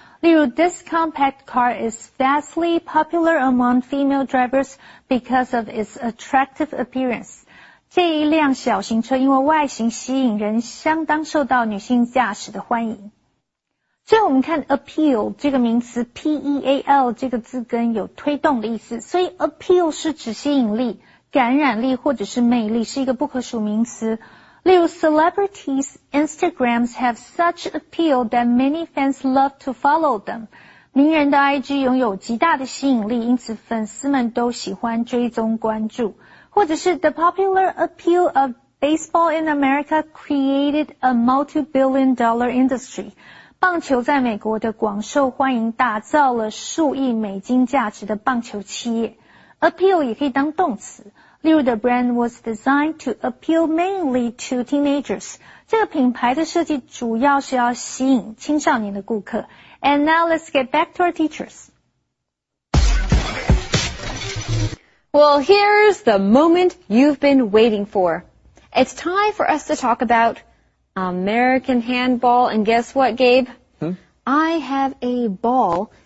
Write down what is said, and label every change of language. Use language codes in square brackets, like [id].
[zh] 例如 [en] this compact car is vastly popular among female drivers because of its attractive appearance. [zh] 这一辆小型车因为外形吸引人相当受到女性驾驶的欢迎。最后我们看 appeal 这个名词 P-E-A-L 这个字根有推动的意思，所以 appeal 是指吸引力、感染力或者是魅力，是一个不可数名词。例如 [en] celebrities Instagrams have such appeal that many fans love to follow them. [zh] 名人的 IG 拥有极大的吸引力，因此粉丝们都喜欢追踪关注。或者是 [en] the popular appeal of baseball in America created a multi-billion dollar industry. [zh] 棒球在美国的广受欢迎打造了数亿美金价值的棒球企业。 Appeal 也可以当动词。例如 [en] the brand was designed to appeal mainly to teenagers. [zh] 这个品牌的设计主要是要吸引青少年的顾客。 [en] And now let's get back to our teachers. Well, here's the moment you've been waiting for. It's time for us to talk about American handball. And guess what, Gabe? I have a ball.